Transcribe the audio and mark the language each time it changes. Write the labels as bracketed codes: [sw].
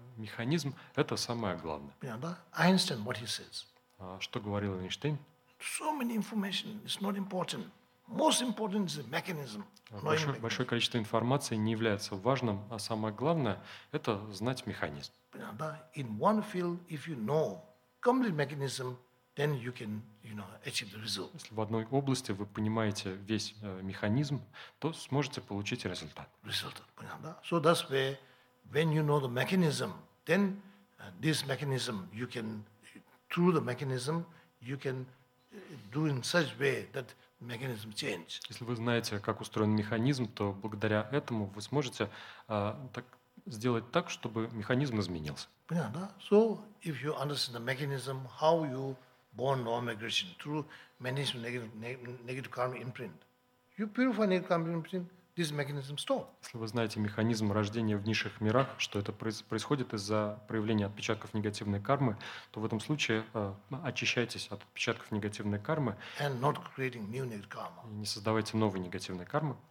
[ru] Механизм – это самое главное. [en] Понятно? Einstein, what he says. [ru] Что говорил Эйнштейн? [en] So many information is not important. Most important is the mechanism. [ru] Большое количество информации не является важным, а самое главное – это знать механизм. Понятно? [en] In one field, if you know complete mechanism, then you can, you know, achieve the result. [ru] Если в одной области вы понимаете весь механизм, то сможете получить результат. Результат, понятно? [en] So that's where, when you know the mechanism, then this mechanism, you can, through the mechanism, you can do in such way that mechanism change. [ru] Если вы знаете, как устроен механизм, то благодаря этому вы сможете сделать так, чтобы механизм изменился. Понятно? [en] So if you understand the mechanism, how you born normal aggression through managing negative karma imprint. You purify negative karma imprint, this mechanism stops. [ru] Если вы знаете механизм рождения в низших мирах, что это происходит из-за проявления отпечатков негативной кармы, то в этом случае очищайтесь от отпечатков негативной кармы. [en] And not creating new negative karma. [ru] И не создавайте новой негативной кармы.